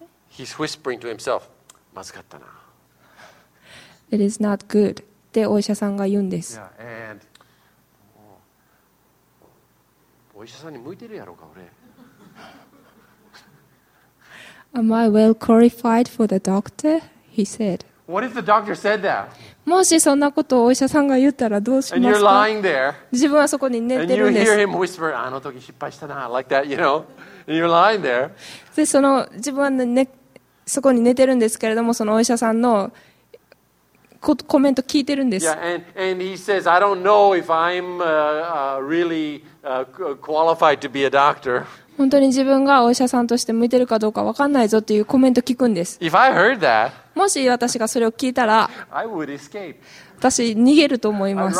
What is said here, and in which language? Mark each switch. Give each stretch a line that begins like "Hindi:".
English: He's whispering to himself,
Japanese: まずかったな。
English: It is not good.
Japanese: で、お医者さんが言うんです。
English: Yeah, and,
Japanese: お医者さんに向いてるやろうか、俺。
English: Am I well qualified for the doctor? He said. What if the doctor said that?
Japanese: もしそんなことをお医者さんが言ったらどうしますか？自分はそこに寝てるんです。
English: And you hear him whisper,
Japanese: あの時失敗したな、
English: like that, you know? And you're lying there.
Japanese: で、その自分は、ね、そこに寝てるんですけれども、そのお医者さんのコメント聞いてるんです。
English: Yeah, and he says, I don't know if I'm really qualified to be a doctor.
Japanese: 本当に自分がお医者さんとして向いてるかどうか分かんないぞっていうコメント聞くんです。
English: If I heard that,
Japanese: もし私がそれを聞いたら、私逃げると思います。